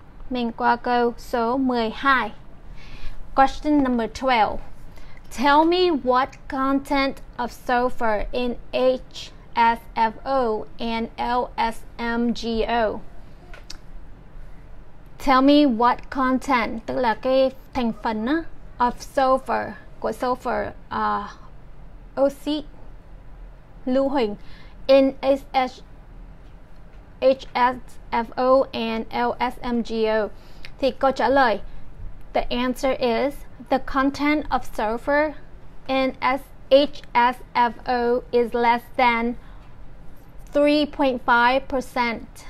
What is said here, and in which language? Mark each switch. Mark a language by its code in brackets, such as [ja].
[vi] Mình qua câu số 12. [en] Question number 12. Tell me what content of sulfur in HSFO and LSMGO. Tell me what content, [vi] tức là cái thành phần á, [en] of sulfur, [vi] của sulfur, oxy lưu huỳnh, [en] in HSFO and LSMGO. [vi] Thì câu trả lời, [en] the answer is the content of sulfur in HSFO is less than 3.5%.